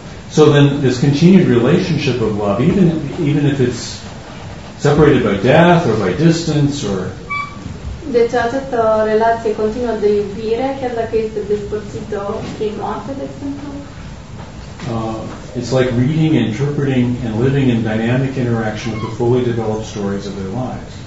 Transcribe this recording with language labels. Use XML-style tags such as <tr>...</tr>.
<en>So then this continued relationship of love, even if it's separated by death or by distance or...</en> <ro>Deci această relație continuă de iubire, chiar dacă este despărțită prin moarte, de exemplu.</ro> <en>It's like reading, interpreting, and living in dynamic interaction with the fully developed stories of their lives.</en>